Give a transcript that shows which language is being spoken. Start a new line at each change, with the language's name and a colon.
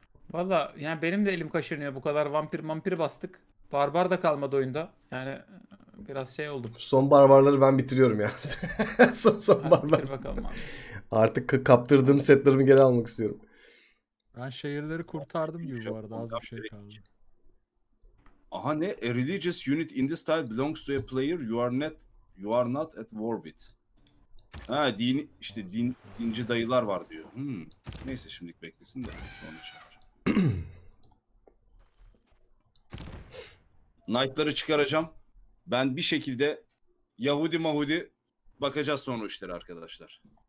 Turkish: Valla yani benim de elim kaşınıyor. Bu kadar vampir bastık. Barbar da kalmadı oyunda. Yani biraz şey oldum. Son barbarları ben bitiriyorum ya. son barbar. Bitir bakalım abi. Artık kaptırdığım setlerimi geri almak istiyorum. Ben şehirleri kurtardım gibi bu arada. Az bir şey kaldı. Aha ne?
English: A religious unit in this style belongs to a player you are not at war with.
Turkish: Ha dini işte dinci dayılar var diyor. Hmm. Neyse şimdilik beklesin de sonra çıkaracağım. Knight'ları çıkaracağım. Ben bir şekilde Yahudi Mahudi bakacağız sonra işlere arkadaşlar.